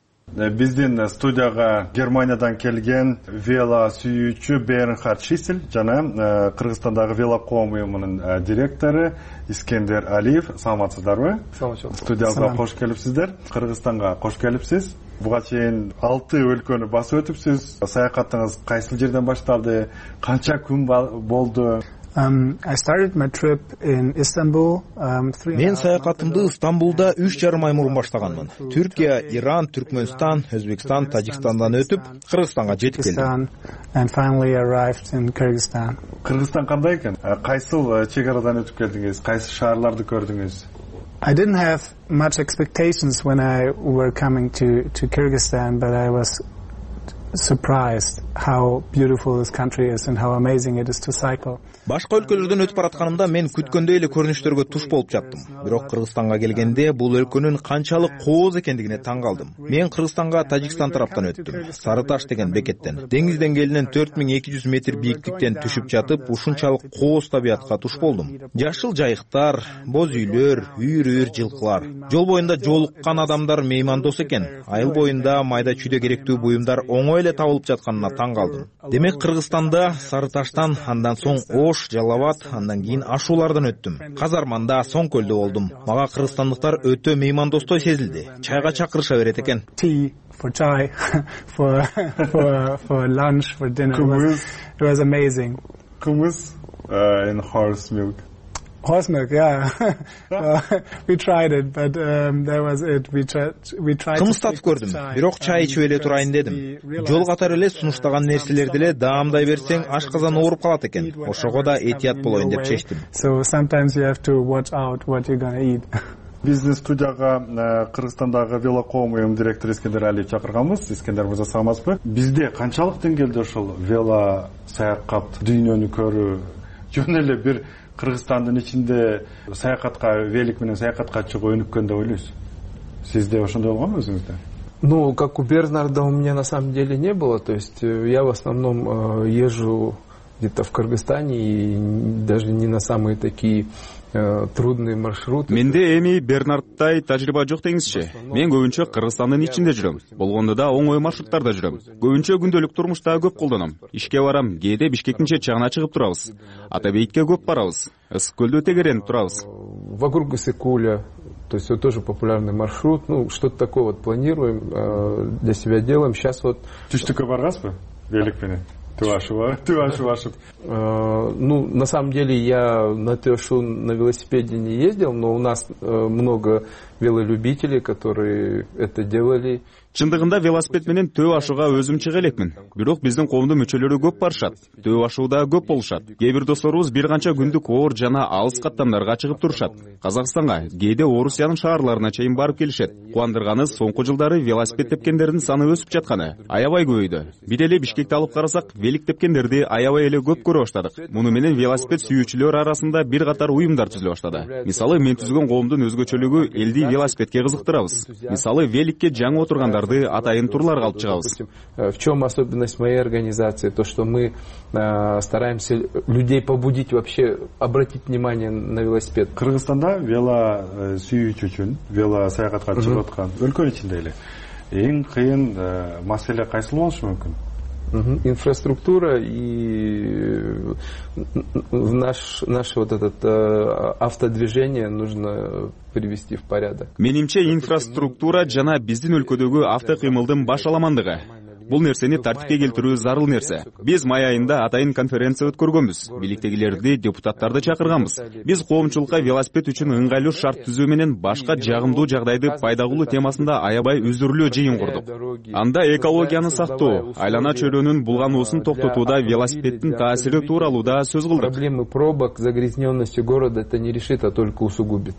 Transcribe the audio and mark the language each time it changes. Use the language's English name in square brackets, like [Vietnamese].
[Kyrgyz] Биздин студияга Германиядан келген вело сүйүүчү Бернхард Шисел жана Кыргызстандагы вело коом уюмунун директору Искендер Алиев, саламатсыздарбы? Саламатчылык. Студияга кош келипсиздер. Кыргызстанга кош келипсиз. Буга чейин 6 өлкөнү басып өтүпсүз. Саякатыңыз кайсыл жерден башталды? Канча күн болду? [English] I started my trip in Istanbul. [Kyrgyz] Мен саякатымды Истанбулда 3.5 ай мурун баштаганмын. Түркия, Иран, Түркмөнстан, Өзбекстан, Тажикстандан өтүп, Кыргызстанга жетип келдим. [English] And finally arrived in Kyrgyzstan. [Kyrgyz] Кыргызстан кандай экен? Кайсыл чек арадан өтүп келдиңиз? Кайсы шаарларды көрдүңүз? [English] I didn't have much expectations when I were coming to Kyrgyzstan, but I was surprised how beautiful this country is and how amazing it is to cycle. [Kyrgyz] Башка өлкөлөрдөн өтүп баратканымда мен күткөндөй эле көрүнүштөргө туш болуп жаттым. Бирок Кыргызстанга келгенде бул өлкөнүн канчалык кооз экендигине таң калдым. Мен Кыргызстанга Тажикстан тараптан өттүм. Сарыташ деген бекеттен. Деңиз деңгээлинен 4200 метр бийиктиктен түшүп жатып, ушунчалык кооз табиятка туш болдум. Жашыл жайыктар, боз үйлөр, үйүр-үйүр жылкылар. Жол боюнда жолуккан адамдар меймандос экен. Айыл боюнда майда-чүйдө керектүү буюмдар оңой эле табылып жатканына таң калдым. Демек Кыргызстанда Сарыташтан андан соң Ош, Жалават, андан кийин ашуулардан өттүм. Казарманда, Соң көлдө болдум. Мага кыргызстандыктар өтө меймандостой сезилди. Чайга чакырыша берет экен. [English] For chai, for lunch, for dinner. It was amazing. Кумыс and horse milk. Horse milk, yeah. We tried it, but that was it. We tried. [Kyrgyz] Кымыстатып көрдүм, бирок чай ичип эле турайын дедим. Жол катары эле сунуштаган нерселерди эле даамдай берсең, ашказан ооруп калат экен. Ошого да этият болоюн деп чечтим. [English] So sometimes you have to watch out what you're going to eat. [Kyrgyz] Бизнес студияга Кыргызстандагы велокоом уюм директору Искендер Алиев чакырганбыз. Искендер мырза, саламатсызбы? Бизде канчалык деңгээлде ошол вело саякат, дүйнөнү көрүү жөн эле бир Кыргызстандын ичинде саякатка, велик менен саякатка чыгуу өнүккөн деп ойлойсуз? Сизде ошондой болгонбу өзүңүздө? [Russian] Ну, как у Бернарда, у меня на самом деле не было. То есть я в основном езжу где-то в Кыргызстане и даже не на самые такие трудные маршруты. [Kyrgyz] Менде эми Бернардтай тажрыйба жок деңизчи. Мен көбүнчө Кыргызстандын ичинде жүрөм. Болгондо да оңой маршруттарда жүрөм. Көбүнчө күндөлүк турмушта көп колдоном. Ишке барам, кээде Бишкектин чет жагына чыгып турабыз. Атабейитке көп барабыз. Ысык көлдү тегеренип турабыз. [Russian] Вокруг Исык-Куля. То есть это тоже популярный маршрут. Ну, что-то такое вот планируем для себя делаем. Сейчас вот [Kyrgyz] Түштүккө баргасызбы? Велик менен? Ты ваш. [Russian] Ну, на самом деле, я на Тёшу на велосипеде не ездил, но у нас много велолюбителей, которые это делали. [Kyrgyz] Чындыгында велосипед менен Төө Ашууга өзүм чыга элекмин. Бирок биздин коомдун мүчөлөрү көп барышат. Төө Ашууда көп болушат. Кээ бир досторубуз бир канча күндүк оор жана алыс каттамдарга чыгып турушат. Казакстанга, кээде Орусиянын шаарларына чейин барып келишет. Куандырганы соңку жылдары велосипед тепкендердин саны өсүп жатканы. Аябай көбөйдү. Бир эле Бишкекти алып карасак, велик тепкендерди аябай эле көп көрө баштадык. Муну менен велосипед сүйүүчүлөр арасында бир катар уюмдар түзүлө баштады. Мисалы, мен түзгөн коомдун өзгөчөлүгү элди велосипедке кызыктырабыз. Мисалы, великке жаңы отурган атайын турлар калып чыгабыз. [Russian] В чём особенность моей организации? То, что мы стараемся людей побудить вообще обратить внимание на велосипед. [Kyrgyz] Кыргызстанда вело сүйүүчү үчүн, вело саякатка чыгып аткан өлкөнүн ичинде эле эң кыйын маселе кайсыл болушу мүмкүн? [Russian] Инфраструктура и в наше вот этот автодвижение нужно привести в порядок. [Kyrgyz] Менимче инфраструктура жана биздин өлкөдөгү автокыймылдын баш аламандыгы. Бул нерсени тартипке келтирүү зарыл нерсе. Биз май айында атайын конференция өткөргөнбүз. Бийликтегилерди, депутаттарды чакырганбыз. Биз коомчулукка велосипед үчүн ыңгайлуу шарт түзүү менен башка жагымдуу жагдайды пайда кылуу темасында аябай үзүрлүү жыйын курдук. Анда экологияны сактоо, айлана чөйрөнүн булгануусун токтотууда велосипедтин таасири тууралуу да сөз кылдык. [Russian] Проблема пробок, загрязнённости города это не решит, а только усугубит.